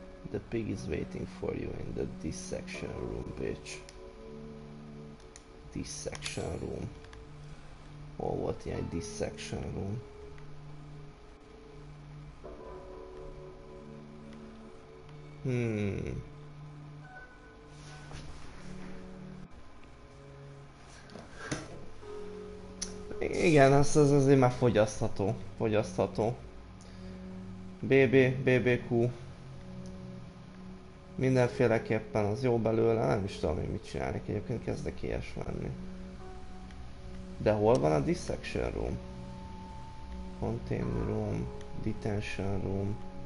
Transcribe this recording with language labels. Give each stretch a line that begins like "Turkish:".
English: The pig is waiting for you in the dissection room, bitch. Dissection room.
Hungarian: Hol volt ilyen dissection room? Hmm. Igen, az azért már fogyasztható. Fogyasztható. BB, BBQ. Mindenféleképpen az jó belőle, nem is tudom, hogy mit csinálnék, egyébként kezdek ilyes lenni. De hol van a dissection room?
English: Containment room, detention room.